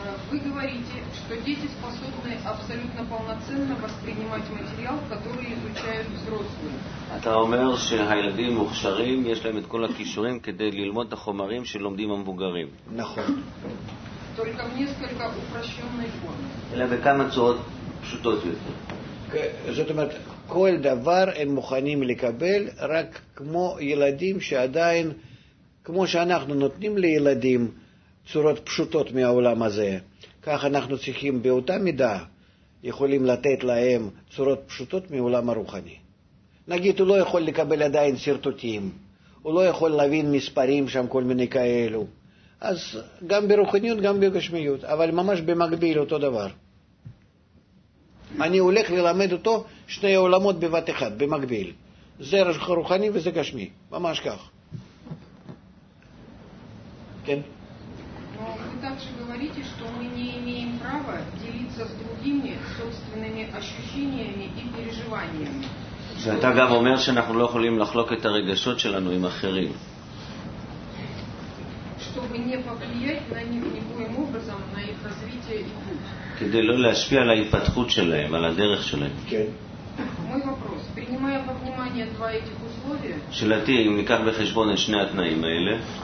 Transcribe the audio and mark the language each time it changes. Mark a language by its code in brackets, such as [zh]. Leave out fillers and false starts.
[ru] Вы говорите, что дети способны абсолютно полноценно воспринимать материал, который изучают взрослые. [he] אתה אומר שהילדים מוכשרים, יש להם את כל הכישורים כדי ללמוד את החומרים שלומדים המבוגרים. נכון. [ru] Только в несколько упрощённой форме. [he] אלא בכמה צורות פשוטות יותר. זאת אומרת, כל דבר הם מוכנים לקבל, רק כמו ילדים שעדיין, כמו שאנחנו נותנים לילדים צורות פשוטות מהעולם הזה, כך אנחנו צריכים באותה מידה יכולים לתת להם צורות פשוטות מעולם הרוחני. נגיד, הוא לא יכול לקבל עדיין סרטוטים, הוא לא יכול להבין מספרים שם כל מיני כאלו, אז גם ברוחניות, גם בגשמיות, אבל ממש במקביל אותו דבר. אני הולך ללמד אותו שני עולמות בבת אחד, במקביל. זה רוחני וזה גשמי, ממש כך. כן? [ru] Также говорите, что мы не имеем права делиться с другими собственными ощущениями и переживаниями. Что это [he] גם אומר שאנחנו לא יכולים לחלוק את הרגשות שלנו עם אחרים. [ru] Чтобы не повлиять на них никоим образом на их развитие и путь. [he] כדי לא להשפיע על ההתפתחות שלהם, על הדרך שלהם. כן. [ru] Мой вопрос. Принимая во внимание два этих условия. [he] שלתי, אם ניקח בחשבון את שני התנאים האלה.